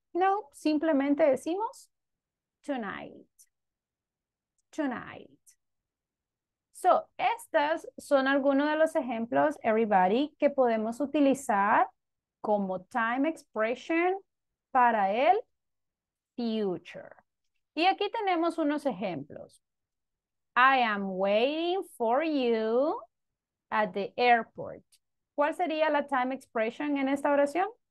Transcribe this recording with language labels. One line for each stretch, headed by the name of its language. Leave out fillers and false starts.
Spanish: No, simplemente decimos tonight. Tonight. So, estas son algunos de los ejemplos, everybody, que podemos utilizar como time expression para el future. Y aquí tenemos unos ejemplos.
English: I am waiting for you at the airport.
Spanish: ¿Cuál sería la time expression en esta oración?